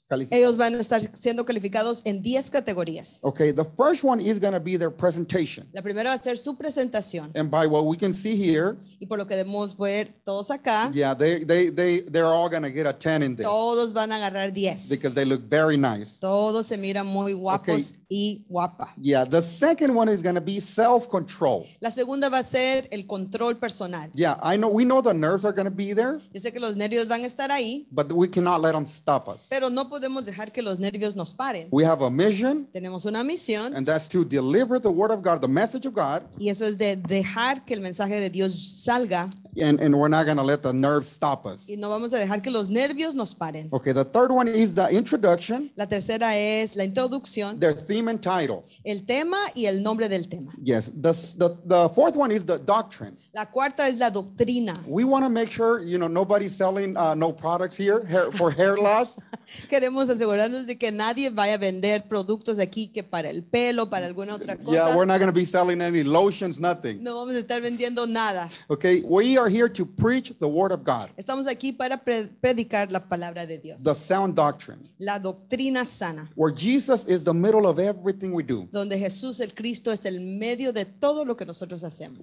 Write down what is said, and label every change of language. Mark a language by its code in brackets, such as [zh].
[es] Ellos van a estar siendo calificados en 10 categorías. [en] Okay, the first one is going to be their presentation. [es] La primera va a ser su presentación. [en] And by what we can see here, [es] y por lo que debemos ver todos acá, [en] yeah, they're all going to get a 10 in this. [es] Todos van a agarrar 10. [en] Because they look very nice. [es] Todos se miran muy guapos, okay. Y guapa. [en] Yeah, the second one is going to be self-control. [es] La segunda va a ser el control personal. [en] Yeah, we know the nerves are going to be there. [es] Yo sé que los nervios van a estar ahí. [en] But we cannot let them stop us. [es] Pero no podemos dejar que los nervios nos paren. [en] We have a mission. [es] Tenemos una misión. [en] And that's to deliver the word of God, the message of God. [es] Y eso es de dejar que el mensaje de Dios salga. [en] And we're not going to let the nerves stop us. [es] Y no vamos a dejar que los nervios nos paren. [en] Okay, the third one is the introduction. [es] La tercera es la introducción. [en] Their theme and title. [es] El tema y el nombre del tema. [en] Yes, the fourth one is the doctrine. [es] La cuarta es la doctrina. [en] We want to make sure, you know, nobody's selling no products here for hair loss. [es] Queremos asegurarnos de que nadie vaya a vender productos aquí que para el pelo, para alguna otra cosa. [en] Yeah, we're not going to be selling any lotions, nothing. [es] No vamos a estar vendiendo nada. [en] Okay, we are here to preach the word of God. [es] Estamos aquí para predicar la palabra de Dios. [en] The sound doctrine. [es] La doctrina sana. [en] Where Jesus is the middle of everything we do. [es] Donde Jesús el Cristo es el medio de todo lo que nosotros hacemos.